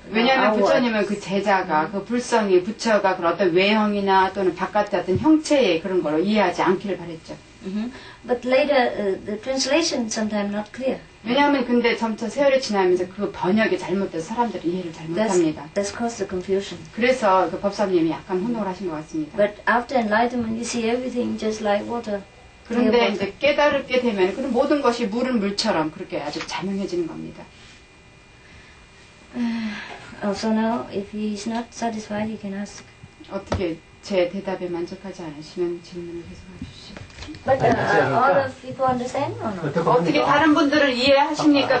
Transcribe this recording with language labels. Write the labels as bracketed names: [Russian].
[Korean] 왜냐하면 부처님은 그 제자가 그 불성이 부처가 그런 어떤 외형이나 또는 바깥의 어떤 형체의 그런 걸로 이해하지 않기를 바랬죠. [English] Mm-hmm. But later, the translation sometimes not clear. [Korean] 왜냐하면 근데 점차 세월이 지나면서 그 번역이 잘못돼서 사람들이 이해를 잘못합니다. [English] That's caused the confusion. [Korean] 그래서 그 법사님이 약간 혼동을 하신 것 같습니다. [English] But after enlightenment, you see everything just like water. [Korean] 그런데 이제 깨달게 되면 그런 모든 것이 물은 물처럼 그렇게 아주 자명해지는 겁니다. [English] So now, if he is not satisfied, he can ask. [Korean] 어떻게 제 대답에 만족하지 않으시면 질문을 계속하십시오. [English] But all of people understand or not? [Korean] 어떻게 다른 분들을 이해하십니까?